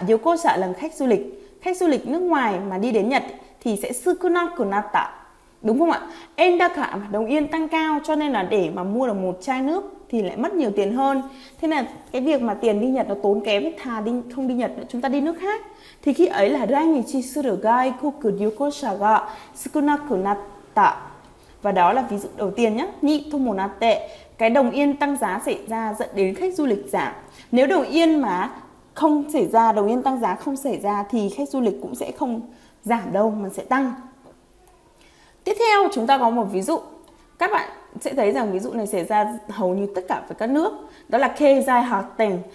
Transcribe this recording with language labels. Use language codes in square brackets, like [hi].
[vi] 旅行者 là khách du lịch. Khách du lịch nước ngoài mà đi đến Nhật thì sẽ [ja] 少なくなった. [vi] Đúng không ạ? Endaka mà đồng yên tăng cao, cho nên là để mà mua được một chai nước thì lại mất nhiều tiền hơn. Thế nên là cái việc mà tiền đi Nhật nó tốn kém, thà đi không đi Nhật nữa, chúng ta đi nước khác. Thì khi ấy là [ja] 来日 する外国旅行者が少なくなった。 [vi] và đó là ví dụ đầu tiên nhé. Ni tomonatte, cái đồng yên tăng giá xảy ra dẫn đến khách du lịch giảm. Nếu đồng yên mà không xảy ra, đồng yên tăng giá không xảy ra thì khách du lịch cũng sẽ không giảm đâu mà sẽ tăng. Tiếp theo chúng ta có một ví dụ, các bạn sẽ thấy rằng ví dụ này xảy ra hầu như tất cả với các nước, đó là keizai hatten.